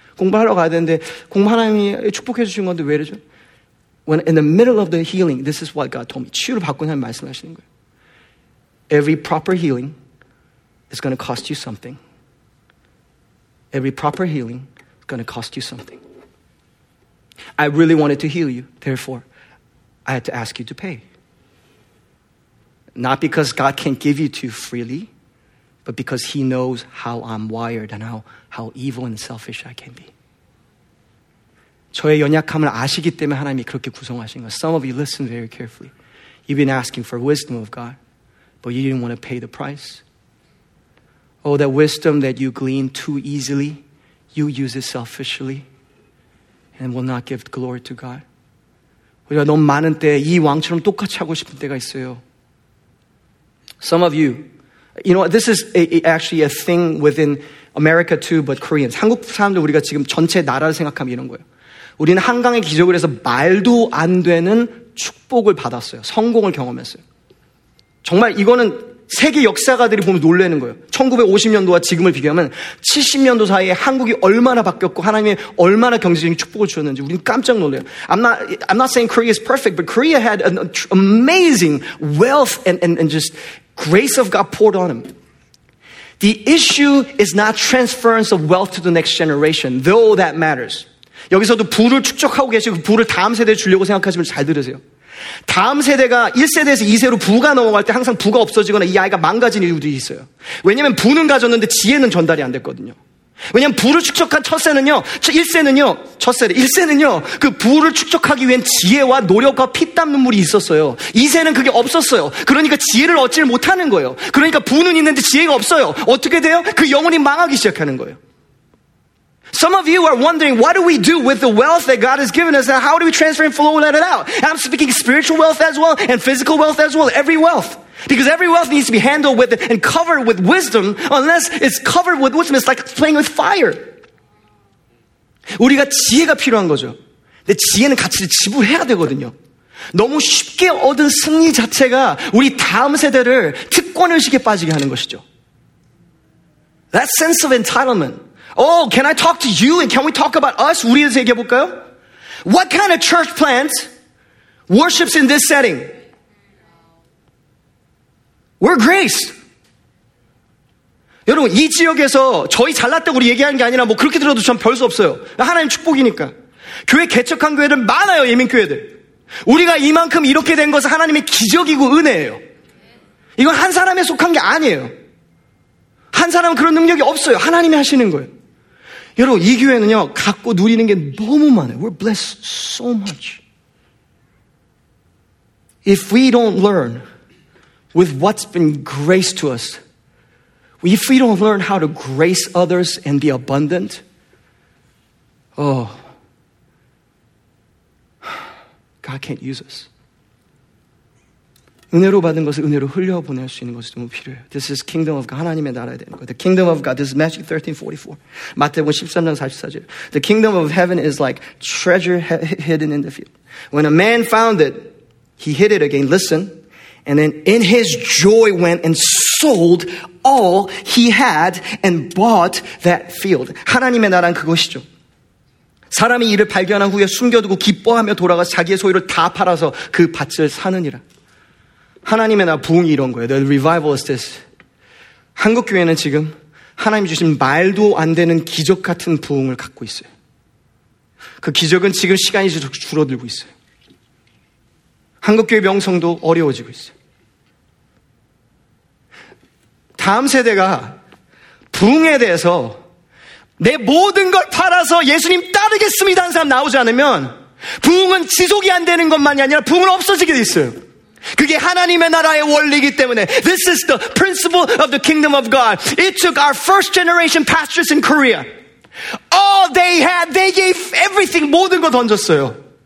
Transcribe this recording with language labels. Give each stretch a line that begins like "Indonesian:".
Korean: 공부하러 가야 되는데, 공부 하나님이 축복해 주신 건데 왜 이러죠?
English: When in the middle of the healing, this is what God told me.
Korean: 치유를 받고 나면 말씀하시는 거예요.
English: Every proper healing, it's going to cost you something. Every proper healing is going to cost you something. I really wanted to heal you. Therefore, I had to ask you to pay. Not because God can't give you too freely, but because he knows how I'm wired and how evil and selfish I can be.
Korean: 저의 연약함을 아시기 때문에 하나님이 그렇게 구성하신 거예요.
English: Some of you listen very carefully. You've been asking for wisdom of God, but you didn't want to pay the price. Oh, that wisdom that you glean too easily, you use it selfishly and will not give glory to God.
Korean: 우리가 너무 많은 때 이 왕처럼 똑같이 하고 싶은 때가 있어요.
English: Some of you, you know, this is actually a thing within America too, but Koreans.
Korean: 한국 사람들 우리가 지금 전체 나라를 생각하면 이런 거예요. 우리는 한강의 기적을 해서 말도 안 되는 축복을 받았어요. 성공을 경험했어요. 정말 이거는 세계 역사가들이 보면 놀라는 거예요. 1950년도와 지금을 비교하면 70년도 사이에 한국이 얼마나 바뀌었고 하나님이 얼마나 경제적인 축복을 주었는지 우리는 깜짝 놀라요.
English: I'm not saying Korea is perfect, but Korea had an amazing wealth and just grace of God poured on him. The issue is not transference of wealth to the next generation, though that matters.
Korean: 여기서도 부를 축적하고 계시고 그 부를 다음 세대에 주려고 생각하시면 잘 들으세요. 다음 세대가 1세대에서 2세로 부가 넘어갈 때 항상 부가 없어지거나 이 아이가 망가진 이유도 있어요. 왜냐면 부는 가졌는데 지혜는 전달이 안 됐거든요. 왜냐면 부를 축적한 첫 세대는요 그 부를 축적하기 위한 지혜와 노력과 피땀 눈물이 있었어요. 2세는 그게 없었어요. 그러니까 지혜를 얻지를 못하는 거예요. 그러니까 부는 있는데 지혜가 없어요. 어떻게 돼요? 그 영혼이 망하기 시작하는 거예요.
English: Some of you are wondering, what do we do with the wealth that God has given us and how do we transfer and flow that out? And I'm speaking spiritual wealth as well and physical wealth as well, every wealth. Because every wealth needs to be handled with and covered with wisdom. Unless it's covered with wisdom, it's like playing with fire.
Korean: 우리가 지혜가 필요한 거죠. 근데 지혜는 가치를 지불해야 되거든요. 너무 쉽게 얻은 승리 자체가 우리 다음 세대를 특권의식에 빠지게 하는 것이죠.
English: That sense of entitlement. Oh, can I talk to you and can we talk about us?
Korean: 우리에서 얘기해볼까요?
English: What kind of church plant worships in this setting? We're grace.
Korean: 여러분, 이 지역에서 저희 잘났다고 우리 얘기하는 게 아니라 뭐 그렇게 들어도 전 별 수 없어요. 하나님 축복이니까. 교회 개척한 교회들 많아요, 예민교회들. 우리가 이만큼 이렇게 된 것은 하나님의 기적이고 은혜예요. 이건 한 사람에 속한 게 아니에요. 한 사람은 그런 능력이 없어요. 하나님이 하시는 거예요. 여러분, 이 교회는요, 갖고 누리는 게 너무 많아요.
English: We're blessed so much. If we don't learn with what's been graced to us, if we don't learn how to grace others and be abundant, oh, God can't use us.
Korean: 은혜로 받은 것을 은혜로 흘려 보낼 수 있는 것이 너무 필요해요.
English: This is kingdom of God.
Korean: 하나님의 나라에 되는 거예요.
English: The kingdom of God. This is Matthew 13:44.
Korean: 마태복음 13장 44절.
English: The kingdom of heaven is like treasure hidden in the field. When a man found it, he hid it again. Listen. And then in his joy went and sold all he had and bought that field.
Korean: 하나님의 나라는 그것이죠. 사람이 이를 발견한 후에 숨겨두고 기뻐하며 돌아가 자기의 소유를 다 팔아서 그 밭을 사느니라. 하나님의 나라 부흥이 이런 거예요.
English: The revival is this.
Korean: 한국교회는 지금 하나님 주신 말도 안 되는 기적 같은 부흥을 갖고 있어요. 그 기적은 지금 시간이 계속 줄어들고 있어요. 한국교회 명성도 어려워지고 있어요. 다음 세대가 부흥에 대해서 내 모든 걸 팔아서 예수님 따르겠습니다 하는 사람 나오지 않으면 부흥은 지속이 안 되는 것만이 아니라 부흥은 없어지게 돼 있어요. 그게 하나님의 나라의 원리이기 때문에
English: This is the principle of the kingdom of God. It took our first generation pastors in Korea. All they had, they gave everything,
Korean: 모든 거 던졌어요.